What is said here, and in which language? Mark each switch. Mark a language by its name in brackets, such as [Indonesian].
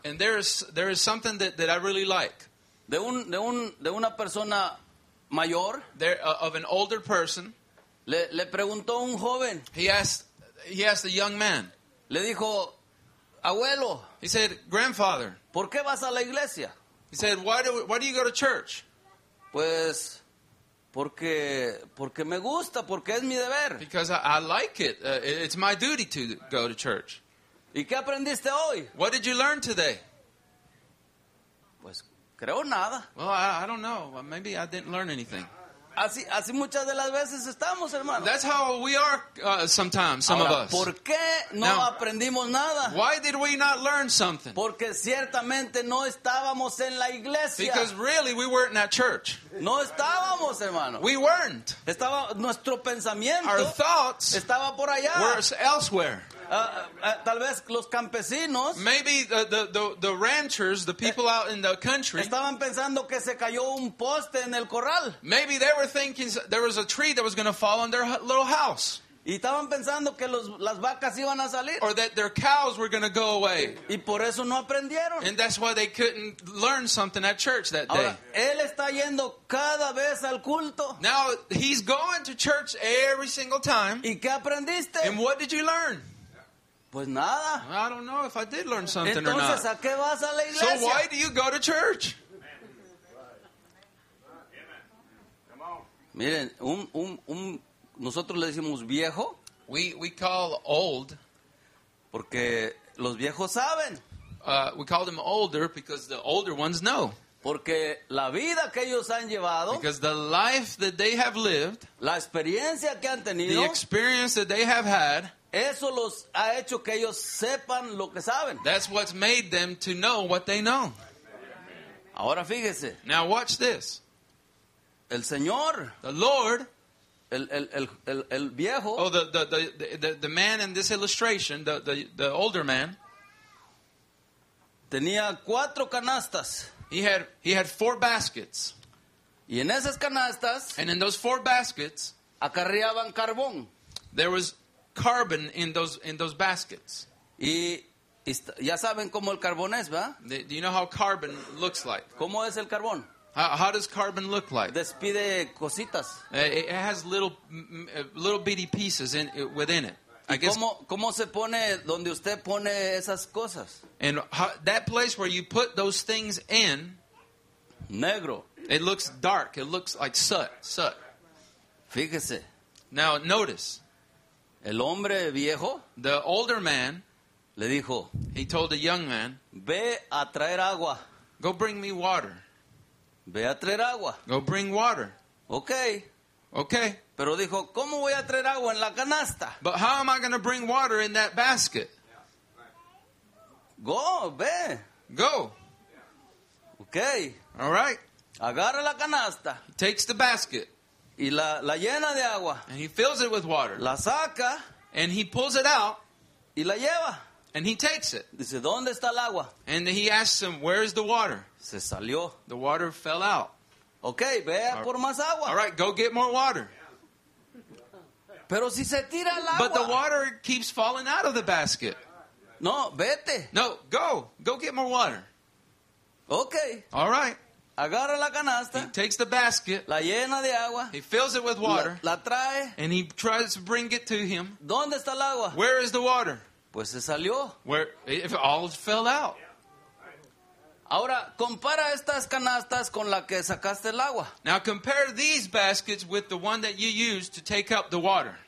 [English] And there is something that I really like. [Spanish] De una persona mayor. [English] There, of an older person. [Spanish] Le preguntó un joven. [English] He asked a young man. [Spanish] Le dijo, abuelo. [English] He said, grandfather. [Spanish] ¿Por qué vas a la iglesia? [English] He said, why do you go to church? [Spanish] Pues Porque me gusta, porque es mi deber. [English] Because I like it. It's my duty to go to church. [Spanish] ¿Y qué aprendiste hoy? [English] What did you learn today? [Spanish] Pues creo nada. [English] Well, I don't know. Maybe I didn't learn anything. [Spanish] Así muchas de las veces estamos, hermano. [English] That's how we are sometimes, some [Spanish] Ahora, [English] of us. [Spanish] ¿Por qué no [English] Now, [Spanish] aprendimos nada? [English] Why did we not learn something? [Spanish] Porque ciertamente no estábamos en la iglesia. [English] Because really, we weren't at church. [Spanish] No estábamos, hermano. [English] We weren't. [Spanish] Estaba nuestro pensamiento. [English] Our thoughts [Spanish] estaba por allá. [English] Were elsewhere. [Spanish] Tal vez los campesinos. [English] Maybe the ranchers, the people out in the country. [Spanish] Estaban pensando que se cayó un poste en el corral. [English] Maybe they were thinking there was a tree that was going to fall on their little house. [Spanish] Y estaban pensando que las vacas iban a salir. [English] Or that their cows were going to go away. [Spanish] Y por eso no aprendieron. [English] And that's why they couldn't learn something at church that [Spanish] Ahora, [English] day. [Spanish] Él está yendo cada vez al culto. [English] Now he's going to church every single time. [Spanish] ¿Y qué aprendiste? [English] And what did you learn? [Spanish] Pues nada. [English] I don't know if I did learn something [Spanish] Entonces, [English] or not. [Spanish] Entonces, ¿a qué vas a la iglesia? [English] So why do you go to church? [Spanish] Miren, un nosotros le decimos viejo. [English] We call old. [Spanish] Porque los viejos saben. [English] We call them older because the older ones know. [Spanish] Porque la vida que ellos han llevado, [English] because the life that they have lived, [Spanish] la experiencia que han tenido, [English] the experience that they have had, [Spanish] eso los ha hecho que ellos sepan lo que saben. [English] That's what's made them to know what they know. [Spanish] Ahora fíjese. [English] Now watch this. [Spanish] El Señor, [English] the Lord, [Spanish] el viejo, [English] oh, the man in this illustration, the older man, [Spanish] tenía cuatro canastas. [English] He had four baskets. [Spanish] Y en esas canastas, [English] and in those four baskets, [Spanish] acarreaban carbón. [English] There was carbon in those baskets. [Spanish] Y ya saben cómo el carbón es, ¿va? [English] Do you know how carbon looks like? [Spanish] ¿Cómo es el carbón? [English] How does carbon look like? [Spanish] Despide cositas. [English] It has little bitty pieces within it. I guess. [Spanish] ¿Cómo se pone donde usted pone esas cosas? [English] And that place where you put those things in, [Spanish] negro. [English] It looks dark. It looks like soot. [Spanish] Fíjese. [English] Now notice. [Spanish] El hombre viejo. [English] The older man. [Spanish] Le dijo. [English] He told the young man. [Spanish] Ve a traer agua. [English] Go bring me water. [Spanish] Ve a traer agua. [English] Go bring water. Okay. Okay. [Spanish] Pero dijo, ¿cómo voy a traer agua en la canasta? [English] But how am I going to bring water in that basket? Go, ve. Go. Okay. All right. [Spanish] Agarra la canasta. [English] He takes the basket. [Spanish] Y la llena de agua. [English] And he fills it with water. [Spanish] La saca. [English] And he pulls it out. [Spanish] Y la lleva. [English] And he takes it. [Spanish] Dice, ¿dónde está el agua? [English] And he asks him, where is the water? [Spanish] Se salió. [English] The water fell out. [Spanish] Okay, ve a por más agua. [English] All right, go get more water. [Spanish] Pero si se tira el agua. [English] But the water keeps falling out of the basket. [Spanish] No, vete. [English] No, go. Go get more water. Okay. All right. [Spanish] Agarra la canasta. [English] He takes the basket. [Spanish] La llena de agua. [English] He fills it with water. [Spanish] La trae. [English] And he tries to bring it to him. [Spanish] ¿Dónde está el agua? [English] Where is the water? [Spanish] Pues se salió. [English] Where it all fell out. [Spanish] Ahora compara estas canastas con la que sacaste el agua. [English] Now compare these baskets with the one that you used to take up the water.